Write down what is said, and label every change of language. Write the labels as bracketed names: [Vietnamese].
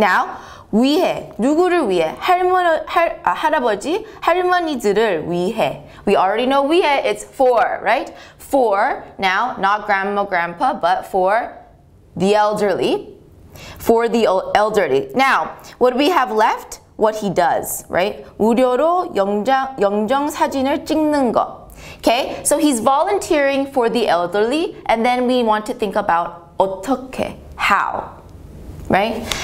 [English] Now, [Korean] 위해, 누구를 위해, 할머니, 할아버지, 할머니들을 위해. [English] We already know 위해, it's for, right? For, now, not grandma, grandpa, but for the elderly. For the elderly. Now, what do we have left? What he does, right? [Korean] 무료로 영정 사진을 찍는 거. [English] Okay, so he's volunteering for the elderly, and then we want to think about [Korean] 어떻게, [English] how. Right?